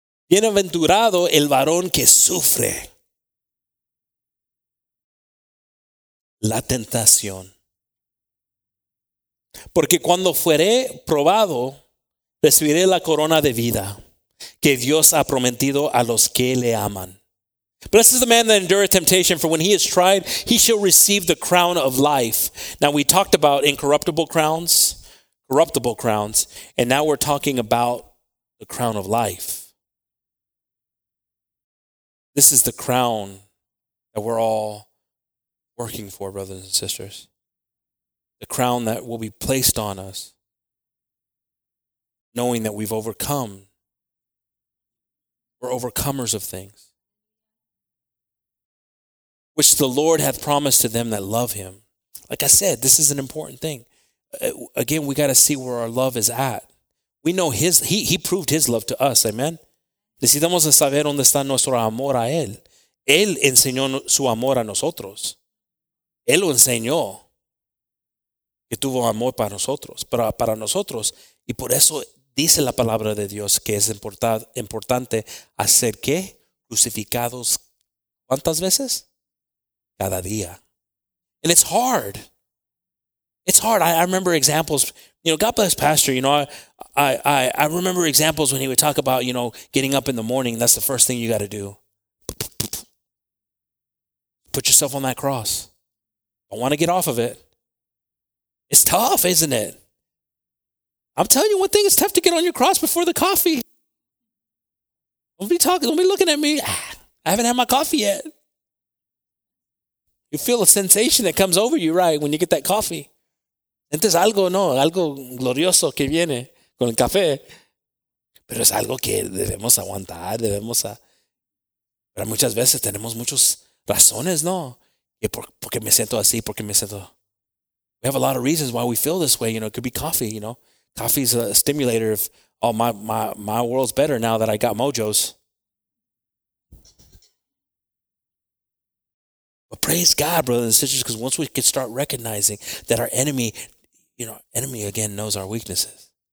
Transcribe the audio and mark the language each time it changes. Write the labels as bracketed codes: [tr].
[es] Bienaventurado el varón que sufre la tentación. Porque cuando fuere probado, recibiré la corona de vida que Dios ha prometido a los que le aman. [en] Blessed is the man that endureth temptation, for when he is tried, he shall receive the crown of life. Now we talked about corruptible crowns, and now we're talking about the crown of life. This is the crown that we're all working for, brothers and sisters. The crown that will be placed on us, knowing that we've overcome. We're overcomers of things, which the Lord hath promised to them that love him. Like I said, this is an important thing. Again, we got to see where our love is at. We know he proved his love to us. Amen. [es] Necesitamos saber dónde está nuestro amor a él. Él enseñó su amor a nosotros. Él lo enseñó que tuvo amor para nosotros, para nosotros. Y por eso dice la palabra de Dios que es importante hacer ¿qué? Crucificados, ¿cuántas veces? Cada día. [en] And it's hard. It's hard. I remember examples. God bless pastor. I remember examples when he would talk about, getting up in the morning. That's the first thing you got to do. Put yourself on that cross. Don't want to get off of it. It's tough, isn't it? I'm telling you one thing, it's tough to get on your cross before the coffee. Don't be looking at me. I haven't had my coffee yet. You feel a sensation that comes over you, right, when you get that coffee. [es] Entonces algo, no, algo glorioso que viene con el café. Pero es algo que debemos aguantar, pero muchas veces tenemos muchas razones, ¿no? Porque me siento así, porque me siento. [en] We have a lot of reasons why we feel this way, it could be coffee, Coffee's a stimulator of, my world's better now that I got mojos. But praise God, brothers and sisters, because once we can start recognizing that our enemy, enemy again knows our weaknesses.